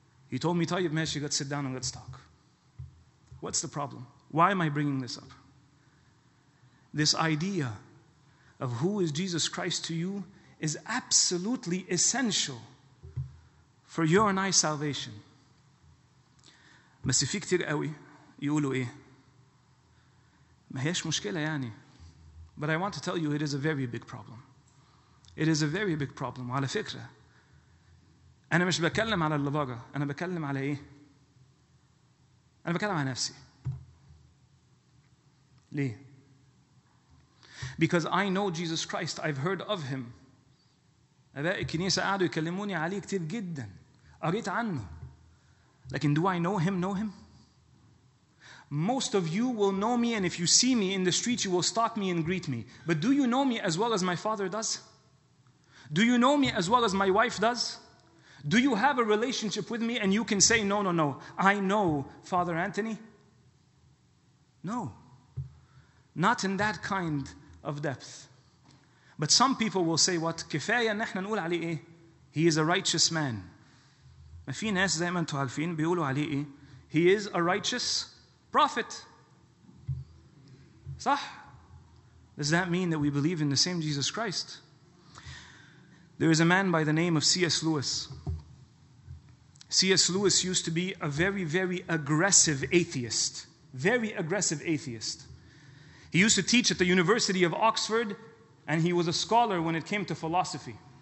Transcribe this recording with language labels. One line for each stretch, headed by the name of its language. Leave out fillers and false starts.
English: He told me, Tayyip Mesh, you got to sit down and let's talk. What's the problem? Why am I bringing this up? This idea of who is Jesus Christ to you is absolutely essential for your and my salvation.
Arabic: بس في كتير قوي يقولوا ايه؟ ما هيش مشكلة يعني.
English: But I want to tell you it is a very big problem. It is a very big problem.
Arabic: وعلى فكرة أنا مش بكلم على اللباقة. أنا بكلم على ايه؟ أنا بكلم على نفسي. ليه؟
English: Because I know Jesus Christ, I've heard of him.
Arabic: أباء الكنيسة قعدوا يكلموني عليه كتير جدا. قريت عنه. لكن
English: do I know him, know him? Most of you will know me, and if you see me in the street, you will stop me and greet me. But do you know me as well as my father does? Do you know me as well as my wife does? Do you have a relationship with me and you can say, no, no, no, I know Father Anthony? No. Not in that kind of depth. But some people will say what?
Arabic: كفاية ان احنا نقول عليه ايه؟
English: He is a righteous man.
Arabic: ما في ناس زي ما انتوا عارفين بيقولوا عليه ايه؟
English: He is a righteous prophet.
Arabic: صح؟
English: Does that mean that we believe in the same Jesus Christ? There is a man by the name of C.S. Lewis. C.S. Lewis used to be a very, very aggressive atheist. Very aggressive atheist. He used to teach at the University of Oxford, and he was a scholar when it came to philosophy.